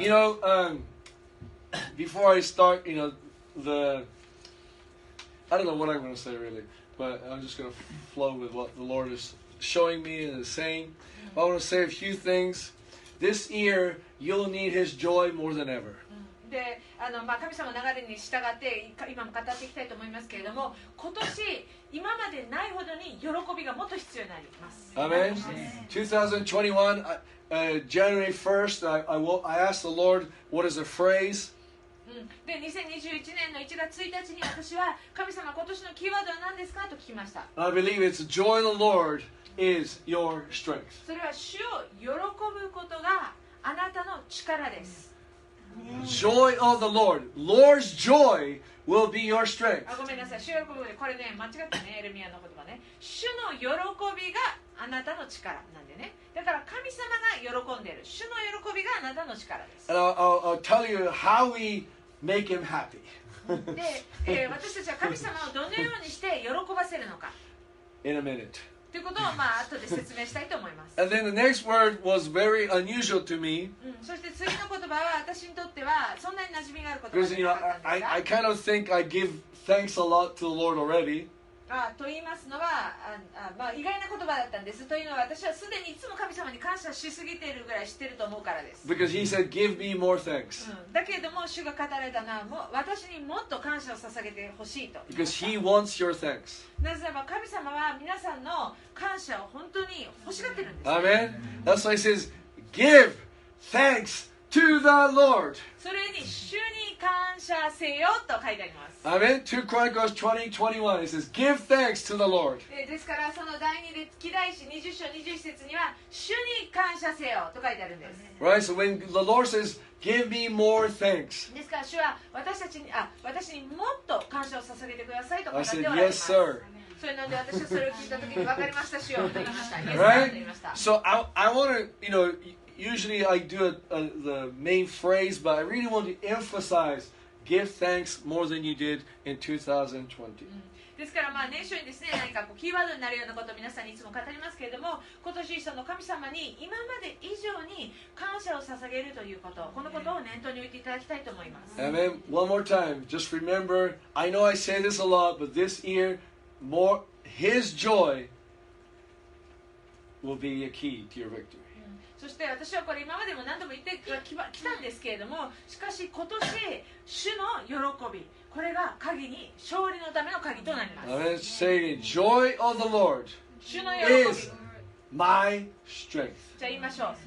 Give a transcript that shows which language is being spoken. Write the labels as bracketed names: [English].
[English] You know, before I start, you know, I don't know what I'm going to say really, but I'm just going to flow with what the Lord is showing me and saying, I want to say a few things. This year, you'll need his joy more than ever. [Japanese] で、まあ、神様の流れに従って今も語っていきたいと思いますけれども、今年今までないほどに喜びがもっと必要になります。アメン。 [English] 2021 January 1st I asked the Lord what is a phrase、 [Japanese] で2021年の1月1日に私は神様、今年のキーワードは何ですかと聞きました。 [English] I believe it's joy of the Lord is your strength. [Japanese] それは主を喜ぶことがあなたの力です。 [English] Joy of the Lord. Lord's joy will be your strength. [Japanese] ごめんなさい。主喜び、これね、間違ったね、エレミアの言葉ね。主の喜びがあなたの力なんでね。だから神様が喜んでる。主の喜びがあなたの力です。 [English] And I'll tell you how we make him happy. [Japanese] で、私たちは神様をどのようにして喜ばせるのか。 [English] In a minute. [Japanese] ということを、まあ、後で説明したいと思います。 [English] And then the next word was very unusual to me.、 [Japanese] そして次の言葉は私にとってはそんなに馴染みがある言葉ではなかったんですが。 [English] Because, you know, I kind of think I give thanks a lot to the Lord already. [Japanese] と言いますのは、まあ、意外な言葉だったんです。というのは私はすでにいつも神様に感謝しすぎているぐらい知ってると思うからです。 [English] Because he said, give me more thanks.、 [Japanese] だけれども主が語られたのはもう私にもっと感謝を捧げてほしいと。 [English] Because he wants your thanks. [Japanese] なぜなら神様は皆さんの感謝を本当に欲しがってるんです。アメン。 [English] That's why he says, give thanks to the Lord. [Japanese] それに主に感謝せよと書いてあります。アメン。 [English] 2 Chronicles 20:21 It says, give thanks to the Lord. [Japanese] ですからその第二歴代史20章20節には主に感謝せよと書いてあるんです。 [English] Right, so when the Lord says,Give me more thanks. [Japanese] ですから主は私たちに、私にもっと感謝を捧げてくださいと語っておられます。 [English] I said, yes, sir. [Japanese] それなんで私はそれを聞いた時に分かりました、主よ、と言いました。 [English] Right? So I want to, you know, usually I do the main phrase, but I really want to emphasize, give thanks more than you did in 2020.、 [Japanese] ですからまあ年初にですね、何かこうキーワードになるようなことを皆さんにいつも語りますけれども、今年その神様に今まで以上に感謝を捧げるということ、このことを念頭に置いていただきたいと思います。 [English] Amen. One more time. Just remember, I know I say this a lot, but this year, more, His joy will be a key to your victory. [Japanese] そして私はこれ今までも何度も言ってきたんですけれども、しかし今年主の喜び、これが鍵に、勝利のための鍵となります。 [English] Let's say it. Joy of the Lord is my strength. [Japanese] じゃあ言いましょう。